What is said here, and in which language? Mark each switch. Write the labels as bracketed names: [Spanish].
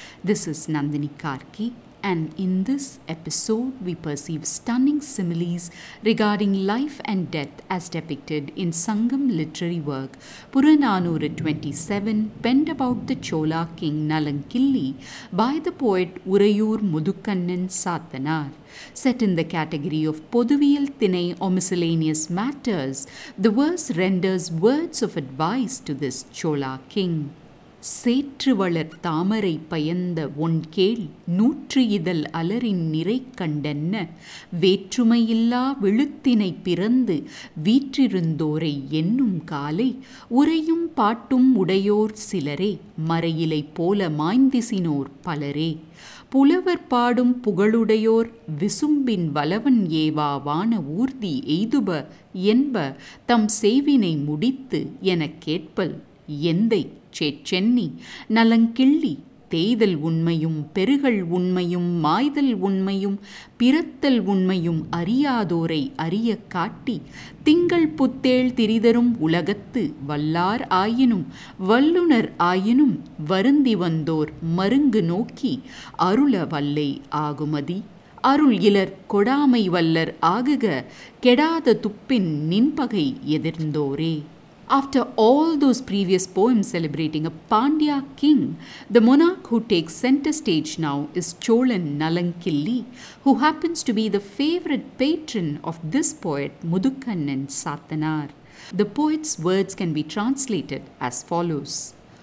[English] This is Nandini Karki, and in this episode we perceive stunning similes regarding life and death as depicted in Sangam literary work Purananura 27, penned about the Chola king Nalankilli by the poet Urayur Mudukkannan Sathanar. Set in the category of Poduviyal Thinai or miscellaneous matters, the verse renders words of advice to this Chola king. [Tamil] சேற்றுவளர் தாமரை பயந்த ஒன்கேள் நூற்று இதழ் அலரின் நிறை கண்டென்ன வேற்றுமையில்லா விழுத்தினை பிறந்து வீற்றிருந்தோரை என்னும் காலை உரையும் பாட்டும் உடையோர் சிலரே மறையிலை போல மாய்ந்திசினோர் பலரே புலவர் பாடும் புகழுடையோர் விசும்பின் வலவன் ஏவாவான ஊர்தி எய்துப என்ப தம் சேவினை முடித்து எனக் கேட்பல் எந்தை சென்னி நலங்கிள்ளி தேய்தல் உண்மையும் பெருகல் உண்மையும் மாய்தல் உண்மையும் பிறத்தல் உண்மையும் அறியாதோரை அறிய காட்டி திங்கள் புத்தேள் திரிதரும் உலகத்து வல்லார் ஆயினும் வல்லுனர் ஆயினும் வருந்தி வந்தோர் மருங்கு நோக்கி அருள வல்லை ஆகுமதி அருள் இலர் கொடாமை வல்லர் ஆகுக கெடாத துப்பின் நின்பகை எதிர்ந்தோரே. [English] After all those previous poems celebrating a Pandya king, the monarch who takes center stage now is Cholan Nalankilli, who happens to be the favorite patron of this poet Mudukkannan Sathanar. The poet's words can be translated as follows.